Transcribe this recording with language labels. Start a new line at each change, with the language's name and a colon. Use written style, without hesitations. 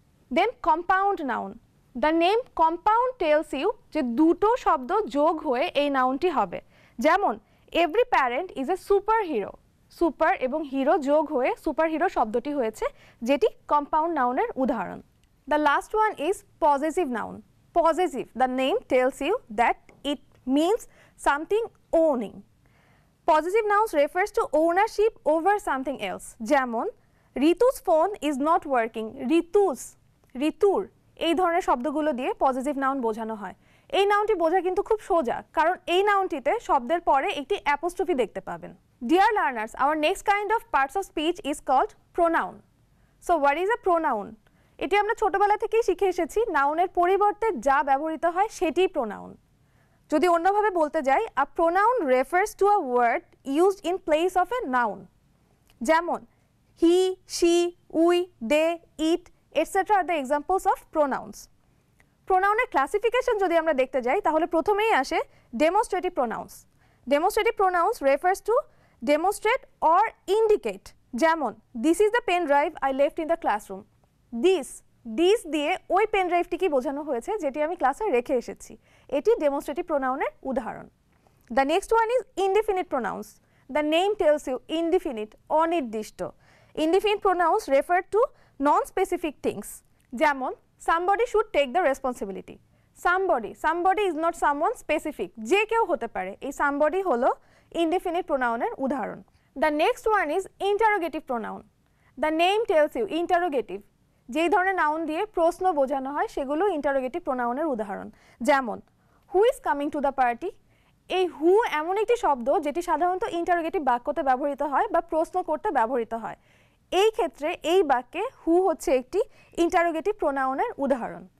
English: then compound noun the name compound tells you
Bangla: যে দুটো শব্দ যোগ হয়ে এই নাউনটি হবে যেমন
English: every parent is a super hero super এবং hero
Bangla: যোগ হয়ে সুপার হিরো শব্দটি হয়েছে যেটি কম্পাউন্ড নাউনের উদাহরণ
English: The last one is positive noun positive the name tells you that it means something owning Positive nouns refers to ownership over something else.
Bangla: Jemon,
English: Ritu's phone is not working. Ritu's, Ritur.
Bangla: এই ধরনের শব্দগুলো দিয়ে positive noun বোঝানো হয়। এই নাউনটি বোঝা কিন্তু খুব সোজা, কারণ এই নাউনটিতে শব্দের পরে একটি অ্যাপোস্ট্রফি দেখতে পাবেন।
English: Dear learners, our next kind of parts of speech is called pronoun. So what is a pronoun?
Bangla: এটি আমরা ছোটবেলা থেকেই শিখে এসেছি, নাউনের পরিবর্তে যা ব্যবহৃত হয় সেটিই pronoun. যদি অন্যভাবে বলতে যাই,
English: a pronoun refers to a word used in place of a noun.
Bangla: যেমন,
English: he, she, we, they, it, etc. are the examples of pronouns.
Bangla: Pronoun-এর classification যদি আমরা দেখতে যাই, তাহলে প্রথমেই আসে demonstrative pronouns.
English: Demonstrative pronouns refers to demonstrate or indicate.
Bangla: যেমন,
English: this is the pen drive I left in the classroom.
Bangla: This দিয়ে ওই pen drive-টিকে বোঝানো হয়েছে যেটি আমি ক্লাসে রেখে এসেছি। এটি demonstrative pronoun-এর উদাহরণ।
English: The next one is indefinite pronouns. The name tells you indefinite,
Bangla: অনির্দিষ্ট.
English: Indefinite pronouns refer to non-specific things.
Bangla: যেমন,
English: somebody should take the responsibility. Somebody is not someone specific.
Bangla: যে কেউ হতে পারে, এই somebody হলো indefinite pronoun-এর উদাহরণ।
English: The next one is interrogative pronoun. The name tells you interrogative.
Bangla: যেই ধরনের নাউন দিয়ে প্রশ্ন বোঝানো হয় সেগুলো ইন্টারোগেটিভ প্রোনাউনের উদাহরণ। যেমন,
English: Who is coming to the party.
Bangla: এই হু এমন একটি শব্দ যেটি সাধারণত ইন্টারোগেটিভ বাক্যতে ব্যবহৃত হয় বা প্রশ্ন করতে ব্যবহৃত হয়। এই ক্ষেত্রে এই বাক্যে হু হচ্ছে একটি ইন্টারোগেটিভ প্রোনাউনের উদাহরণ।